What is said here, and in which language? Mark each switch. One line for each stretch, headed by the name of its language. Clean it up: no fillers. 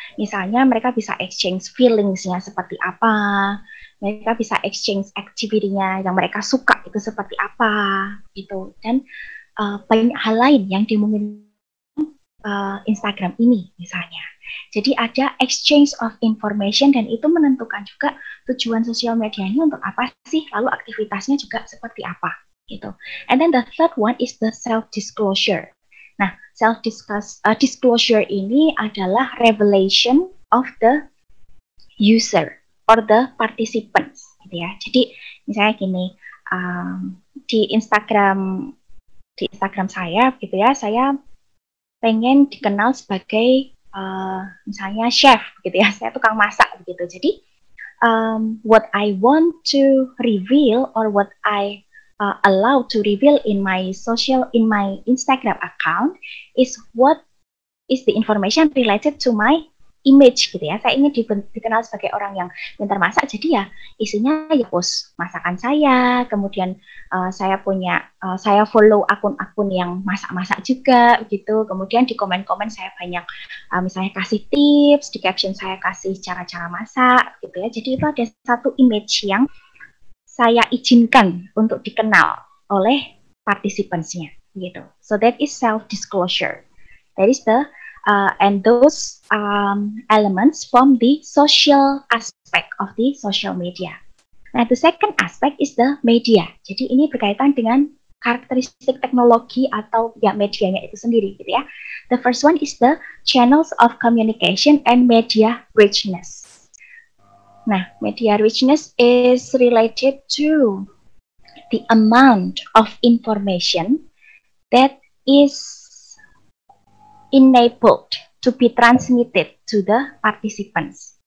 Indonesian: Misalnya mereka bisa exchange feelings-nya seperti apa, mereka bisa exchange activity-nya yang mereka suka itu seperti apa, gitu. Dan banyak hal lain yang dimungkinkan Instagram ini, misalnya. Jadi ada
English: exchange of information
Indonesian: dan itu menentukan juga tujuan sosial medianya untuk apa sih, lalu aktivitasnya juga seperti apa, gitu.
English: And then the third one is the self-disclosure.
Indonesian: Nah,
English: self-disclosure
Indonesian: ini adalah
English: revelation of the user or the participants,
Indonesian: gitu ya. Jadi misalnya gini, di Instagram saya, gitu ya, saya pengen dikenal sebagai misalnya chef, gitu ya, saya tukang masak, gitu.
English: Jadi what I want to reveal or what I allow to reveal in my Instagram account is what is the information related to my image,
Indonesian: gitu ya. Saya ingin dikenal sebagai orang yang pintar masak, jadi ya isinya ya post masakan saya, kemudian saya follow akun-akun yang masak-masak juga, gitu. Kemudian di komen-komen saya banyak misalnya kasih tips, di caption saya kasih cara-cara masak, gitu ya. Jadi itu ada satu image yang saya izinkan untuk dikenal oleh participants-nya, gitu.
English: So that is self-disclosure. That is the and those elements from the social aspect of the social media.
Indonesian: Nah,
English: the second aspect is the media.
Indonesian: Jadi ini berkaitan dengan karakteristik teknologi atau ya medianya itu sendiri, gitu ya.
English: The first one is the channels of communication and media richness.
Indonesian: Nah,
English: media richness is related to the amount of information that is enabled to be transmitted to the participants.